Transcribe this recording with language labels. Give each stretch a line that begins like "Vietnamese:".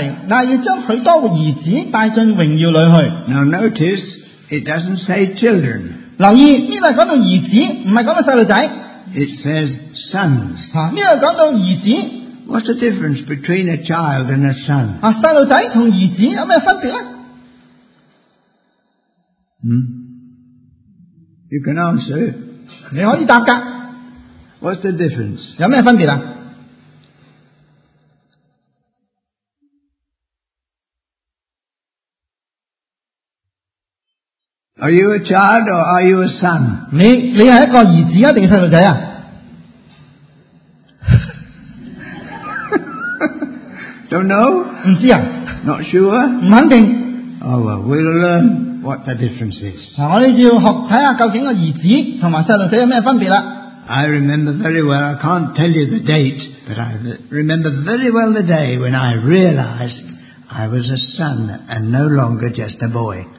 Chinese: 这封书信的主题，那要将许多儿子带进荣耀里去。
English: Now notice, it doesn't say children.
Chinese: 留意，这里讲到儿子，不是讲到小孩子。
English: It says sons.
Chinese: 这里讲到儿子。
English: What's the difference between a child and a son?
Chinese: 小孩子和儿子有什么分别呢?
English: You can answer.
Chinese: 你可以答答。
English: What's the difference?
Chinese: 有什么分别呢?
English: Are you a child or are you a son?
Chinese: 你是一个儿子还是小孩子啊?
English: Don't know?
Chinese: 不知道。
English: Not sure?
Chinese: 不肯定。
English: Oh well, we'll learn what the difference is.
Chinese: 我们要学看看究竟儿子和小孩子有什么分别了。
English: I remember very well, I can't tell you the date, but I remember very well the day when I realized I was a son and no longer just a boy.